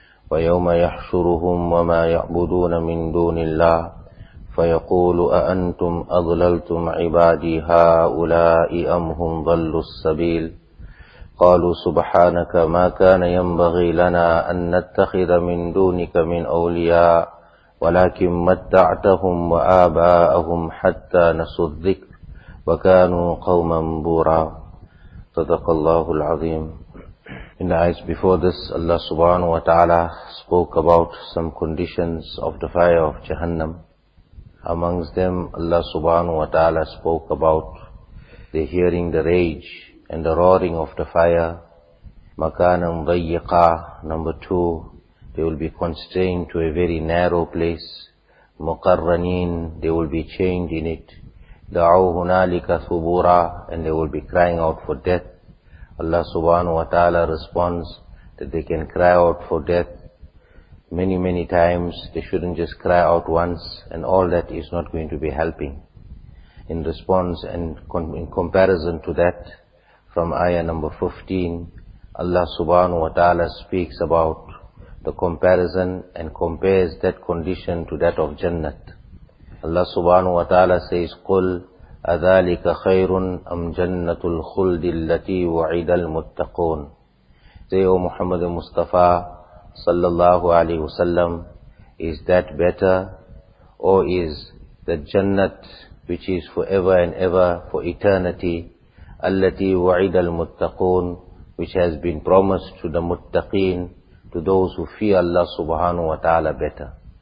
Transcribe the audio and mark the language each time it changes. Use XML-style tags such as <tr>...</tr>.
<ar>ويوم يحشرهم وما يعبدون من دون الله فيقول أأنتم أضللتم عبادي هؤلاء أم هم ضلوا السبيل قالوا سبحانك ما كان ينبغي لنا أن نتخذ من دونك من أولياء ولكن متعتهم وآباءهم حتى نسوا الذكر وكانوا قوما بورا صدق الله العظيم.</ar> <en>In the eyes before this, Allah subhanahu wa ta'ala spoke about some conditions of the fire of Jahannam. Amongst them, Allah subhanahu wa ta'ala spoke about the hearing the rage and the roaring of the fire.</en> <ar>Makanan dayyika,</ar> <en>number two, they will be constrained to a very narrow place. Muqarraneen, they will be chained in it.</en> <ar>Da'au hunalika thubura,</ar> <en>and they will be crying out for death. Allah subhanahu wa ta'ala responds that they can cry out for death many, many times. They shouldn't just cry out once, and all that is not going to be helping. In response and in comparison to that, from ayah number 15, Allah subhanahu wa ta'ala speaks about the comparison and compares that condition to that of Jannat. Allah subhanahu wa ta'ala says,</en> <ar>قُلْ أَذَلِكَ خَيْرٌ أَمْ جَنَّةُ الْخُلْدِ الَّتِي وَعِدَ الْمُتَّقُونَ.</ar> <en>Say, O Muhammad Mustafa sallallahu alayhi wa sallam, is that better, or is the Jannat which is forever and ever for eternity,</en> <ar>allati wa'ida al-muttaqoon,</ar> <en>which has been promised to the muttaqeen, to those who fear Allah subhanahu wa ta'ala, better?</en>